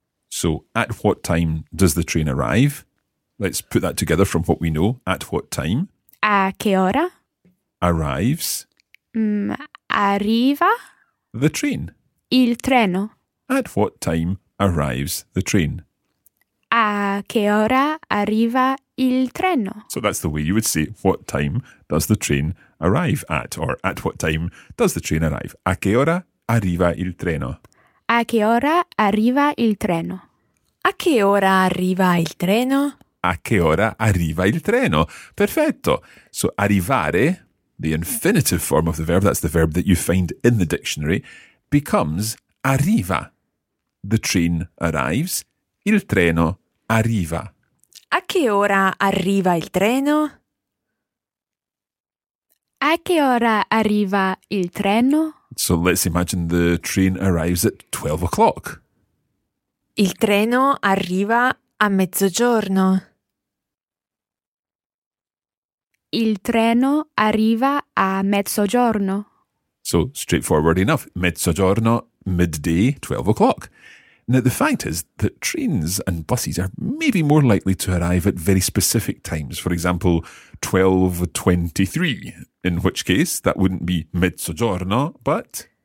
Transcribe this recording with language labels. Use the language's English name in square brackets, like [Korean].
[English] So at what time does the train arrive? Let's put that together from what we know. At what time? [Italian] A che ora? [English] Arrives. [Italian] Arriva. [English] The train. [Italian] Il treno. [English] At what time arrives the train? [Italian] A che ora arriva il treno? [English] So that's the way you would say, what time does the train arrive at? Or at what time does the train arrive? [Italian] A che ora arriva il treno? A che ora arriva il treno? A che ora arriva il treno? A che ora arriva il treno? Perfetto! [English] So arrivare, the infinitive form of the verb, that's the verb that you find in the dictionary, becomes arriva. The train arrives. [Italian] Il treno arriva. A che ora arriva il treno? A che ora arriva il treno? [English] So let's imagine the train arrives at 12 o'clock. [Italian] Il treno arriva a mezzogiorno. Il treno arriva a mezzogiorno. [English] So straightforward enough. Mezzogiorno, midday, 12 o'clock. Now, the fact is that trains and buses are maybe more likely to arrive at very specific times. For example, 12:23, in which case that wouldn't be mezzogiorno, but...